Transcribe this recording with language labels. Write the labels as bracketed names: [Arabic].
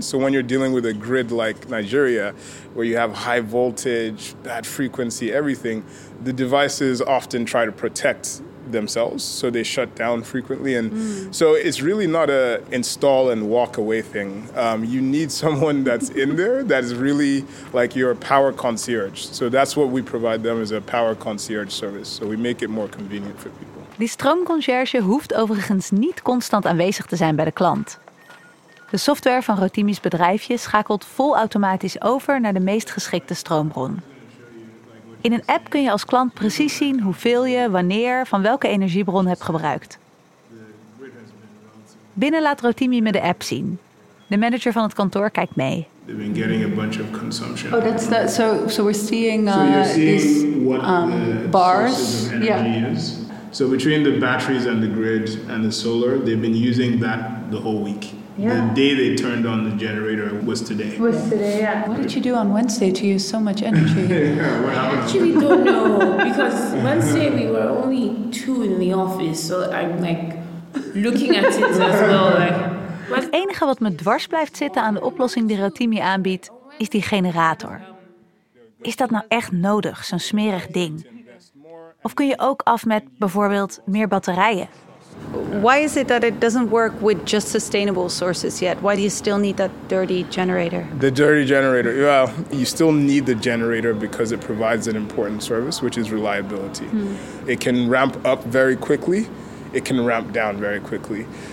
[English] So when you're dealing with a grid like Nigeria, where you have high voltage, bad frequency, everything, the devices often try to protect themselves, so they shut down frequently. And so it's really not a install and walk away thing. You need someone that's in there that is really like your power concierge. So that's what we provide them, is a power concierge service. So we make it more convenient for people. [Dutch] Die stroomconcierge hoeft overigens niet constant aanwezig te zijn bij de klant. De software van Rotimi's bedrijfje schakelt volautomatisch over naar de meest geschikte stroombron. In een app kun je als klant precies zien hoeveel je, wanneer, van welke energiebron hebt gebruikt. Binnen laat Rotimi me de app zien. De manager van het kantoor kijkt mee. [English] They've been getting a bunch of consumption. Oh, that's that. So we're seeing, these what the bars. Yeah. Is. So between the batteries and the grid and the solar, they've been using that the whole week. Yeah. The day they turned on the generator was today. Was today, yeah. What did you do on Wednesday to use so much energy? Actually, don't know, because Wednesday we were only two in the office, so I'm like looking at it as well. Like, [Dutch] het enige wat me dwars blijft zitten aan de oplossing die Rotimi aanbiedt, is die generator. Is dat nou echt nodig, zo'n smerig ding? Of kun je ook af met bijvoorbeeld meer batterijen? [English] Why is it that it doesn't work with just sustainable sources yet? Why do you still need that dirty generator? The dirty generator. Well, you still need the generator because it provides an important service, which is reliability. Hmm. It can ramp up very quickly. It can ramp down very quickly.